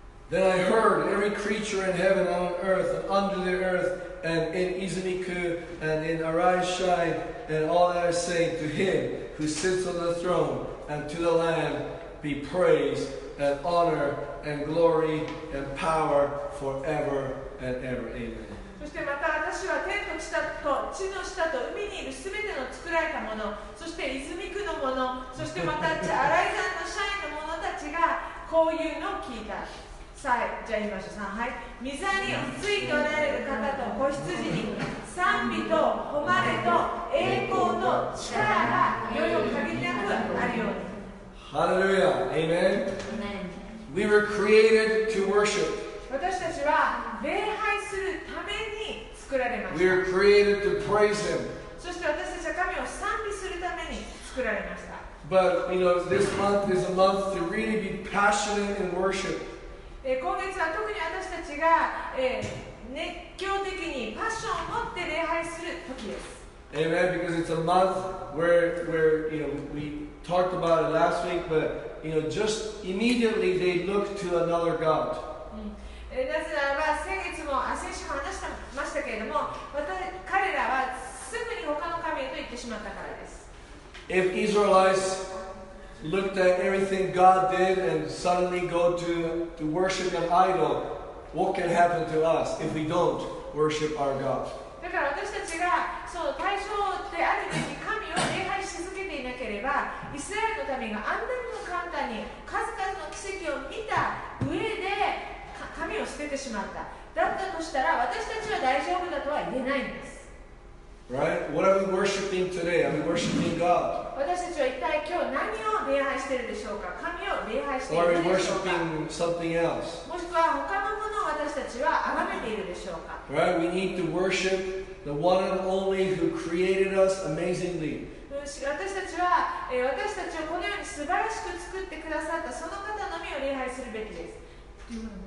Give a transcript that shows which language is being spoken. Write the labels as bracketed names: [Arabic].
[English] Then I heard every creature in heaven and on earth and under the earth and in Izumiku and in Arashai and all that I say to him who sits on the throne and to the Lamb be praise and honor and glory and power forever and ever. Amen. [Japanese] そしてまた私は天の下と地の下と海にいるすべての作られたもの、そして泉区のもの、そしてまた新井さんの社員の者たちがこういうのを聞いた。さあ、じゃあ言いましょう。はい。御座についておられる方と子羊に賛美と誉れと栄光と力がいよいよ限りなくあるように。 [English] ハレルヤ。アーメン。We were created to worship. [Japanese] 私たちは礼拝するために作られました。 [English] We are created to praise Him. [Japanese] そして私たちは神を賛美するために作られました。 [English] But, you know, this month is a month to really be passionate in worship. [Japanese] 今月は特に私たちが、熱狂的にパッションを持って礼拝する時です。 [English] Amen, because it's a month where you know, we talked about it last week, but, you know, just immediately they look to another God. [Japanese] なぜならば先月も先週も話してましたけれども、また彼らはすぐに他の神へと行ってしまったからです。 [English] If Israelites looked at everything God did and suddenly go to worship an idol, what can happen to us if we don't worship our God? [Japanese] だから私たちがその対象であるべき神を礼拝し続けていなければ、イスラエルの民があんなにも簡単に数々の奇跡を見た上で。神を捨ててしまった。だったとしたら私たちは大丈夫だとは言えないんです。 [English] Right? What are we worshiping today? Are we worshiping God? [Japanese] 私たちは一体今日何を礼拝しているでしょうか。神を礼拝しているでしょうか。もしくは他のものを私たちは崇めているでしょうか。 [English] Right, we need to worship the one and only who created us amazingly. [Japanese] 私たちはこのように素晴らしく作ってくださったその方のみを礼拝するべきです。